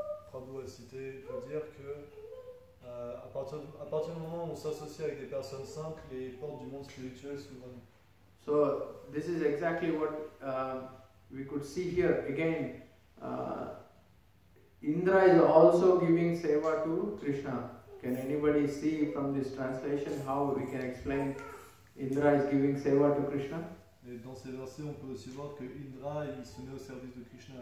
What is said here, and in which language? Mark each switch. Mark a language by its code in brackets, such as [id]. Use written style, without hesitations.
[fr] Prabhu a cité pour dire que à partir du moment où on s'associe avec des personnes saintes, les portes du monde spirituel s'ouvrent. [en] So this is exactly what we could see here again. Indra is also giving seva to Krishna. Can anybody see from this translation how we can explain Indra is giving seva to Krishna? [fr] Et dans ces versets, on peut aussi voir que Indra il se met au service de Krishna.